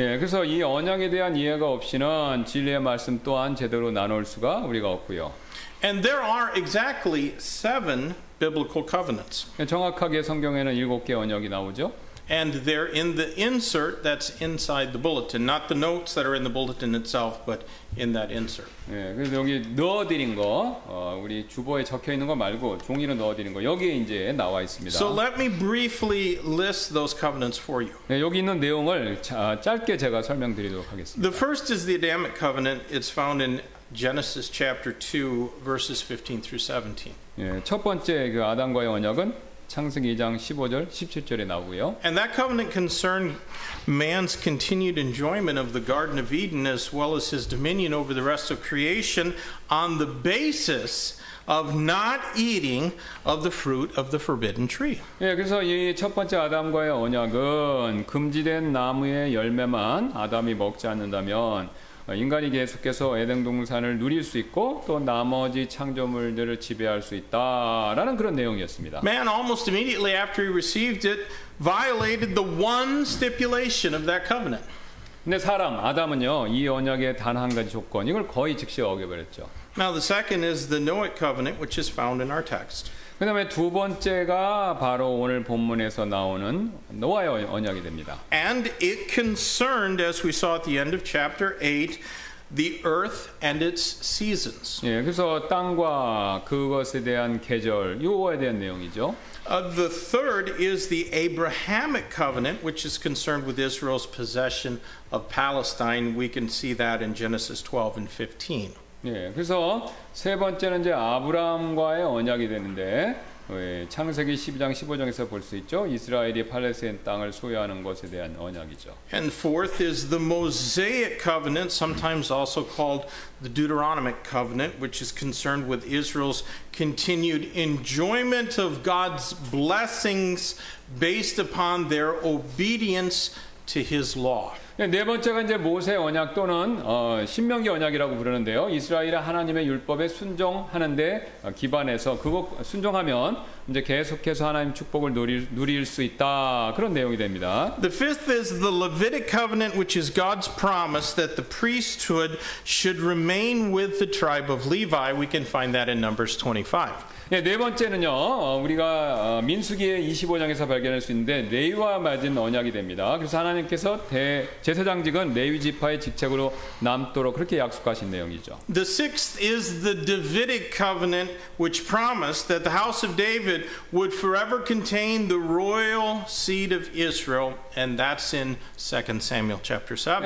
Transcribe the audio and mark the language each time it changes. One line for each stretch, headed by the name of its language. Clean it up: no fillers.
Korean: 예, 그래서 이 언약에 대한 이해가 없이는 진리의 말씀 또한 제대로 나눌 수가 우리가 없고요.
English: And there are exactly seven biblical covenants.
Korean: 정확하게 성경에는 일곱 개 언약이 나오죠.
English: And they're in the insert that's inside the bulletin, not the notes that are in the bulletin itself, but in that insert.
Korean: 예, 그래서 여기 넣어드린 거, 우리 주보에 적혀 있는 거 말고 종이로 넣어드린 거 여기에 이제 나와 있습니다.
English: So let me briefly list those covenants for you.
Korean: 예, 여기 있는 내용을 짧게 제가 설명드리도록 하겠습니다.
English: The first is the Adamic covenant. It's found in Genesis chapter 2, verses 15 through 17.
Korean: 예, 첫 번째 그 아담과의 언약은 창세기 2장 15절, 17절에 나오고요.
English: And that covenant concerned man's continued enjoyment of the Garden of Eden as well as his dominion over the rest of creation on the basis of not eating of the fruit of the forbidden tree.
Korean: 예, 그래서 이 첫 번째 아담과의 언약은 금지된 나무의 열매만 아담이 먹지 않는다면 인간이 계속해서 에덴 동산을 누릴 수 있고 또 나머지 창조물들을 지배할 수 있다라는 그런 내용이었습니다.
English: Man almost immediately after he received it violated the one stipulation of that covenant.
Korean: 근데 사람 아담은요 이 언약의 단 한 가지 조건 이걸 거의 즉시 어겨버렸죠.
English: Now the second is the Noahic covenant, which is found in our text.
Korean: 그 다음에 두 번째가 바로 오늘 본문에서 나오는 노아의 언약이 됩니다.
English: And it concerned, as we saw at the end of chapter 8, the earth and its seasons.
Korean: 예, 그래서 땅과 그것에 대한 계절, 요거에 대한 내용이죠.
English: The third is the Abrahamic covenant, which is concerned with Israel's possession of Palestine. We can see that in Genesis 12 and 15.
Korean: 예, 그래서 세 번째는 이제 아브라함과의 언약이 되는데 예, 창세기 12장 15장에서 볼 수 있죠. 이스라엘이 팔레스타인 땅을 소유하는 것에 대한 언약이죠.
English: And fourth is the Mosaic covenant, sometimes also called the Deuteronomic covenant, which is concerned with Israel's continued enjoyment of God's blessings based upon their obedience to his law.
Korean: 네 번째가 이제 모세 언약 또는 신명기 언약이라고 부르는데요. 이스라엘이 하나님의 율법에 순종하는데 기반해서 그거 순종하면 이제 계속해서 하나님 축복을 누릴 수 있다 그런 내용이 됩니다.
English: The fifth is the Levitic covenant, which is God's promise that the priesthood should remain with the tribe of Levi. We can find that in Numbers 25.
Korean: 네, 네 번째는요 우리가 민수기의 25장에서 발견할 수 있는데 레위와 맺은 언약이 됩니다. 그래서 하나님께서 제사장직은 레위 지파의 직책으로 남도록 그렇게 약속하신 내용이죠.
English: The sixth is the Davidic covenant, which promised that the house of David would forever contain the royal seed of Israel, and that's in 2 Samuel chapter 7.